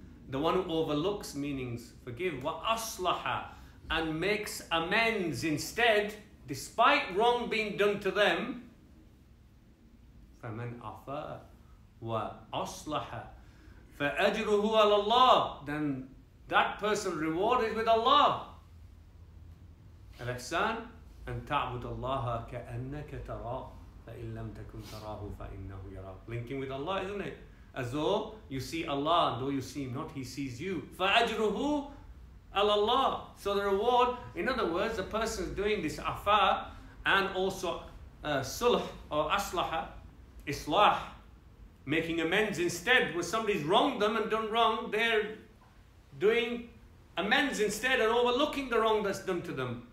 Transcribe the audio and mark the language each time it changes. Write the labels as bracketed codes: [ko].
[en] The one who overlooks, meanings forgive, wa aslaha, and makes amends instead, despite wrong being done to them. [ar] فَمَنْ عَفَى وَأَصْلَحَ فَأَجْرُهُ عَلَى اللَّهِ. [en] Then that person rewarded with Allah. [ar] الْإِحْسَانُ أَنْ تَعْبُدَ اللَّهَ كَأَنَّكَ تَرَاهُ فَإِنْ لَمْ تَكُنْ تَرَاهُ فَإِنَّهُ يَرَاكَ. [en] Linking with Allah, isn't it? as though you see Allah, though you see Him not, He sees you. فَأَجْرُهُ Allah. So the reward, in other words, the person doing this afa and also sulh or aslaha, islah, making amends instead, when somebody's wronged them and done wrong, they're doing amends instead and overlooking the wrong that's done to them.